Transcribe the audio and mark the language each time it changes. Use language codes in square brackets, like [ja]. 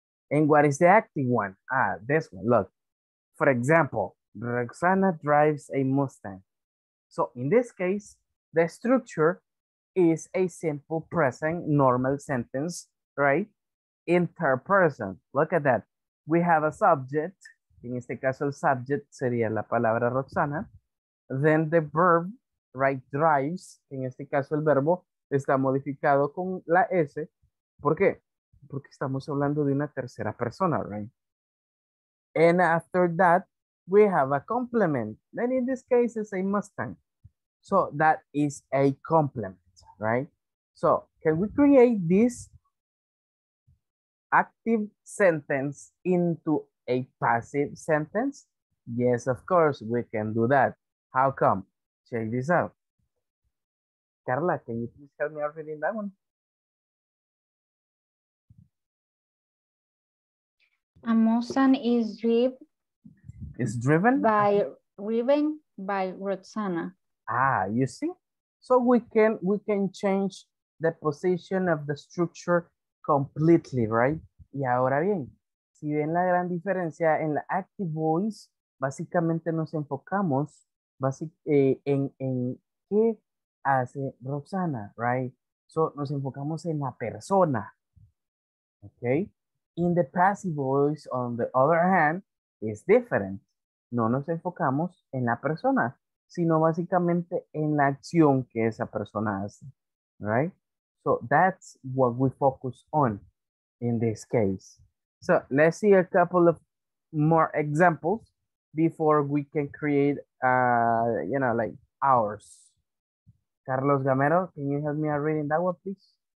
[en] And what is the active one? Ah, this one. Look. For example, Roxana drives a Mustang. So in this case, the structure is a simple present normal sentence, right? In third person. Look at that. We have a subject. [es] In este caso, el subject sería la palabra Roxana. [en] Then the verb, right, drives. [es] En este caso, el verbo está modificado con la S. ¿Por qué? Porque estamos hablando de una tercera persona, right? [en] And after that, we have a complement. Then in this case, it's a Mustang. So that is a complement, right? So can we create this active sentence into a passive sentence? Yes, of course, we can do that. How come? Check this out. Carla, can you please help me out reading that one? A Mustang is driven by Roxana. Ah, you see? So we can change the position of the structure completely, right? [es] Y ahora bien, si ven la gran diferencia en la active voice, básicamente nos enfocamos en qué hace Roxana, right? So nos enfocamos en la persona, okay? [en] In the passive voice, on the other hand, is different. [es] No nos enfocamos en la persona, sino básicamente en la acción que esa persona hace, right? [en] So that's what we focus on in this case. So let's see a couple of more examples before we can create, you know, like ours. Carlos Gamero, can you help me out reading that one, please?